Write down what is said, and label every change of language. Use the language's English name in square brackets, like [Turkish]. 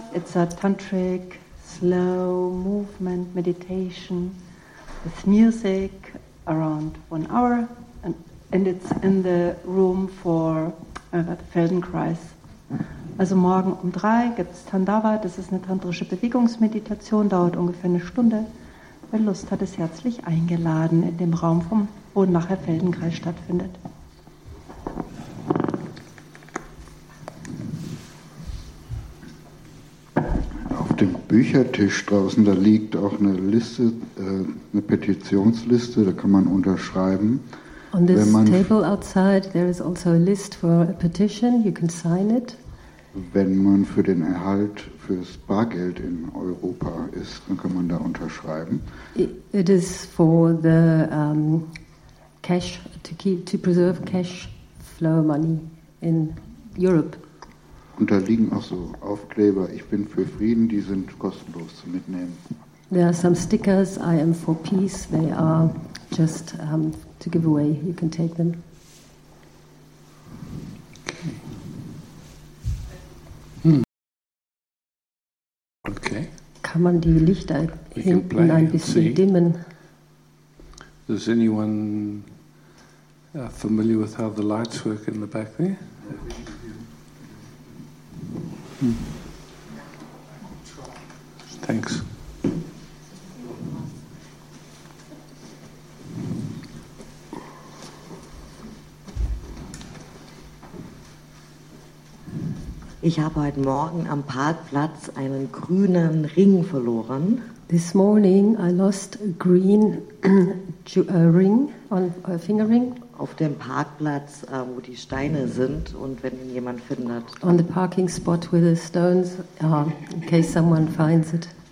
[English] It's a tantric slow movement meditation with music around 1 hour, and it's in the room for the Feldenkrais. [German] Also morgen um 3 gibt's Tandava. Das ist eine tantrische Bewegungsmeditation, dauert ungefähr eine Stunde. Wer Lust hat, ist herzlich eingeladen in dem Raum, vom, wo nachher Feldenkrais stattfindet. Dem Büchertisch draußen, da liegt auch eine Liste, eine Petitionsliste, da kann man unterschreiben. [English] On this table outside, there is also a list for a petition, you can sign it. [German] Wenn man für den Erhalt fürs Bargeld in Europa ist, dann kann man da unterschreiben. [English] It is for the cash, to keep, to preserve cash flow money in Europe. [German] Und da liegen auch so Aufkleber, ich bin für Frieden, die sind kostenlos zu mitnehmen. [English] There are some stickers, I am for peace, they are just to give away, you can take them. Okay. [German] Kann man die Lichter hinten ein bisschen dimmen? [English] Is anyone familiar with how the lights work in the back there? Thanks. [German] Ich habe heute Morgen am Parkplatz einen grünen Ring verloren. [English] This morning I lost a green ring on a finger ring. [German] Auf dem Parkplatz, wo die Steine sind, und wenn ihn jemand findet. [English] On the parking spot with the stones, in case someone finds it.